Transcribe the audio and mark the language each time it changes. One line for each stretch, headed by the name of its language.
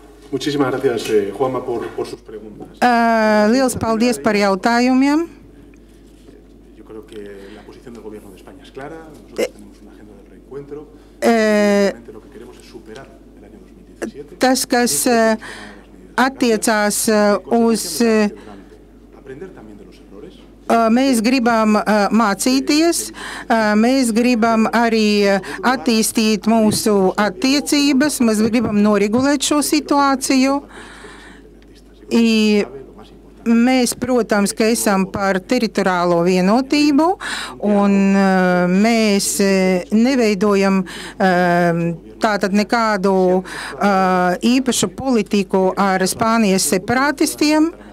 Spanish: Muchísimas gracias, Juanma, por sus preguntas.
Latvian: Liels paldies par jautājumiem.
Spanish: Yo creo que la posición del gobierno de España es clara. Nosotros tenemos una agenda de reencuentro. Lo que queremos es superar el año 2017.
Latvian: Tas, kas attiecās uz...
Spanish: Aprender también de los errores.
Latvian: Mēs gribam mācīties, mēs gribam arī attīstīt mūsu attiecības, mēs gribam noregulēt šo situāciju. I mēs, protams, ka esam par teritoriālo vienotību, un mēs neveidojam tātad nekādu īpašu politiku ar Spānijas separātistiem.